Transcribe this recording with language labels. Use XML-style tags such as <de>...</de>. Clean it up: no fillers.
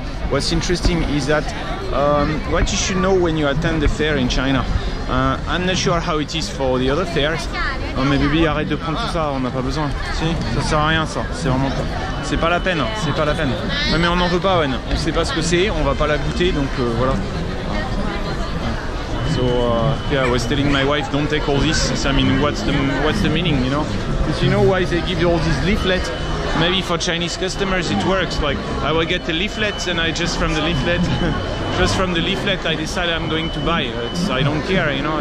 <en>What's interesting is that what you should know when you attend the fair in China. I'm not sure how it is for the other fairs.</en> <fr>Oh, mais baby, arrête de prendre tout ça, on n'a pas besoin. Si, ça sert à rien, ça. C'est vraiment pas. C'est pas la peine, c'est pas la peine. Ouais, mais on n'en veut pas, Owen. On sait pas ce que c'est, on va pas la goûter, donc voilà.</fr> <en>So, yeah, I was telling my wife, don't take all this. I mean, what's the meaning, you know? Because you know why they give you all these leaflets? Maybe for Chinese customers it works. Like, I will get the leaflets and I just from the leaflet. Just from the leaflet, I decide I'm going to buy it. I don't care, you know.</en>